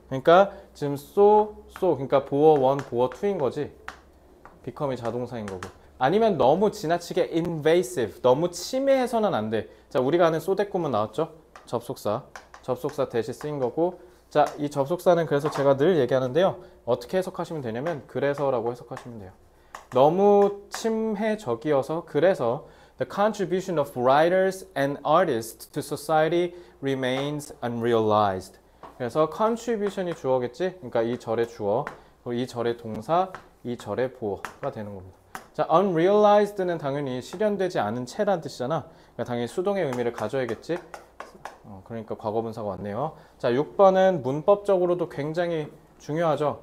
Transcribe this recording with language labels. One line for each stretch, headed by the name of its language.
Korean: 그러니까 지금 그러니까 보어 1, 보어 2인 거지. 비컴이 자동사인 거고. 아니면 너무 지나치게 invasive, 너무 침해해서는 안 돼. 자, 우리가 아는 쏘대꿈은 나왔죠? 접속사. 접속사 대시 쓰인 거고. 자, 이 접속사는 그래서 제가 늘 얘기하는데요. 어떻게 해석하시면 되냐면, 그래서라고 해석하시면 돼요. 너무 침해적이어서, 그래서
English: the contribution of writers and artists to society remains unrealized.
Korean: 그래서 contribution이 주어겠지? 그러니까 이 절의 주어, 이 절의 동사, 이 절의 보어가 되는 겁니다. 자, unrealized는 당연히 실현되지 않은 채란 뜻이잖아. 그러니까 당연히 수동의 의미를 가져야겠지. 그러니까 과거분사가 왔네요. 자, 6번은 문법적으로도 굉장히 중요하죠.